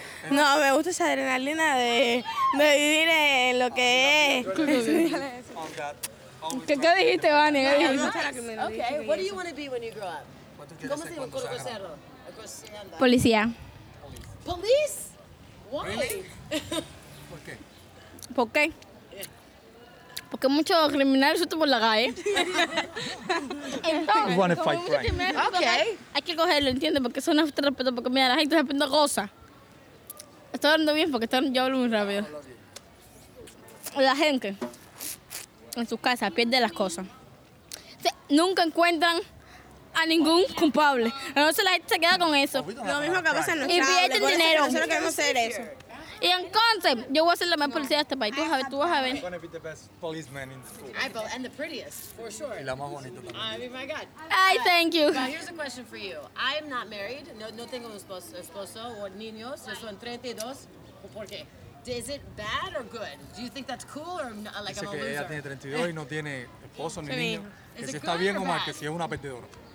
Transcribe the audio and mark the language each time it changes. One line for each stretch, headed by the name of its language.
Spanish: No, me gusta esa adrenalina de vivir en lo que es. ¿Qué dijiste, Vani?
English: Okay, what do you want to be when you grow up?
Spanish: ¿Cómo se llama Coro Rosero? Policía.
English: Police? Why? Really?
Spanish: ¿Por qué? Porque muchos criminales suelto por la calle. Entonces,
English: you wanna fight crime. Okay.
Spanish: Hay que cogerlo, ¿entiendes? Porque son un respeto, porque mira, la gente está haciendo cosas. Estoy hablando bien porque yo hablo muy rápido. La gente en sus casas pierde las cosas. Sí, nunca encuentran a ningún culpable. Entonces la gente se queda con eso. Lo mismo que pasa en los chavales. Y pierden dinero. Nosotros no queremos hacer eso. Y entonces, yo voy a ser la mejor policía de este país. Tú vas a ver.
English: I'm gonna be the best policeman in school. And the prettiest, for sure.
Spanish: Y la más bonita también.
English: I mean, my God. Hi, thank you. Now, here's a question for you. I'm not married.
Spanish: No tengo esposo o niños. Yo soy 32. ¿Por qué?
English: Is it bad or good? Do you think that's cool or not, like
Spanish: dice
English: I'm a loser?
Spanish: Ella tiene 32 y no tiene esposo ni niño.
English: Is
Spanish: que si está bien o mal, que si es una perdedora.